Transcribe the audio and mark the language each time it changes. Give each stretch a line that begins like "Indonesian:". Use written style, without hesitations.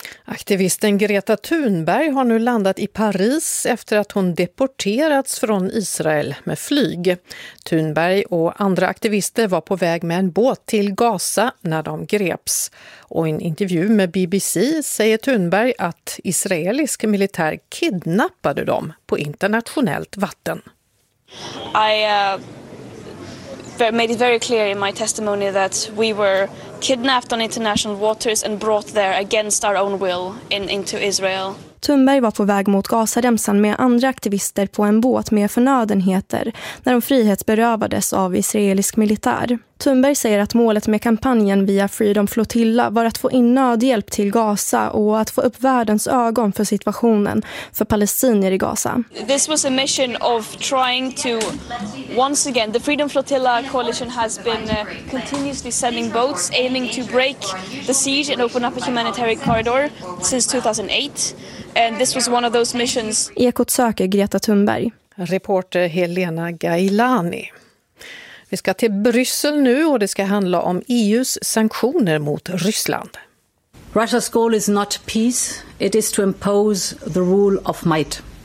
Swedish: Aktivisten Greta Thunberg har nu landat i Paris efter att hon deporterats från Israel med flyg. Thunberg och andra aktivister var på väg med en båt till Gaza när de greps. Och i en intervju med BBC säger Thunberg att israelisk militär kidnappade dem på internationellt vatten.
English: Made it very clear in my testimony that we were kidnapped on international waters and brought there against our own will into Israel.
Swedish: Thunberg var på väg mot Gazaremsan med andra aktivister på en båt med förnödenheter när de frihetsberövades av israelisk militär. Thunberg säger att målet med kampanjen via Freedom Flotilla var att få in nödhjälp till Gaza och att få upp världens ögon för situationen för palestinier i Gaza.
English: This was a mission of trying to once again, the Freedom Flotilla coalition has been continuously sending boats aiming to break the siege and open up a humanitarian corridor since 2008. And this was one of those missions.
Swedish: Ekot söker Greta Thunberg. Reporter Helena Gailani. Vi ska till Bryssel nu och det ska handla om EU:s sanktioner mot Ryssland.
English: Russia's goal is not peace, it is to impose the rule of might.